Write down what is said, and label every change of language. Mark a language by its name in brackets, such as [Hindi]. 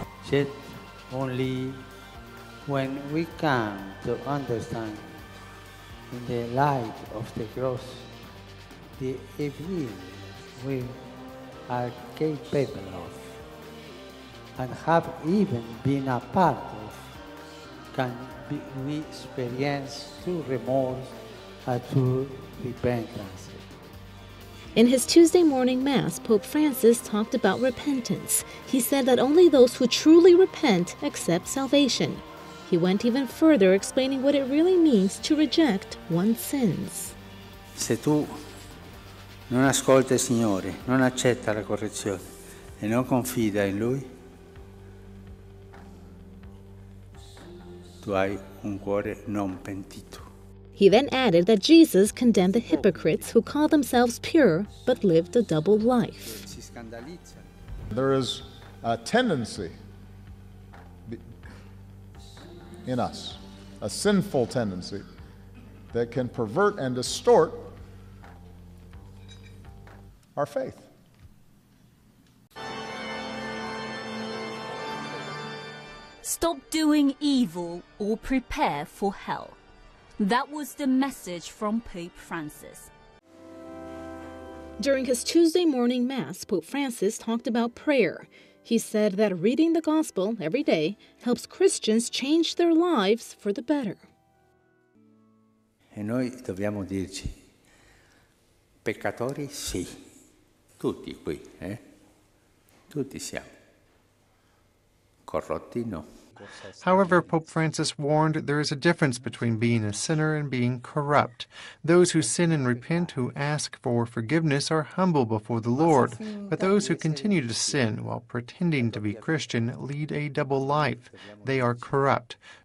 [English] Yet only when we come to understand in the light of the cross the evil we are capable of and have even been a part of, can we experience true remorse and true repentance. In his Tuesday morning Mass, Pope Francis talked about repentance. He said that only those who truly repent accept salvation. He went even further, explaining what it really means to reject one's sins. [Italian] Se tu non ascolti il Signore, non accetta la correzione e non confida in Lui, tu hai un cuore non pentito. [English] He then added that Jesus condemned the hypocrites who call themselves pure but lived a double life. There is a tendency in us, a sinful tendency, that can pervert and distort our faith. Stop doing evil or prepare for hell. That was the message from Pope Francis. During his Tuesday morning Mass, Pope Francis talked about prayer. He said that reading the Gospel every day helps Christians change their lives for the better. [Italian] E noi dobbiamo dirci, peccatori sì, tutti qui, eh? Tutti siamo. Corrotti no. [English] However, Pope Francis warned there is a difference between being a sinner and being corrupt. Those who sin and repent, who ask for forgiveness, are humble before the Lord. But those who continue to sin while pretending to be Christian lead a double life. They are corrupt.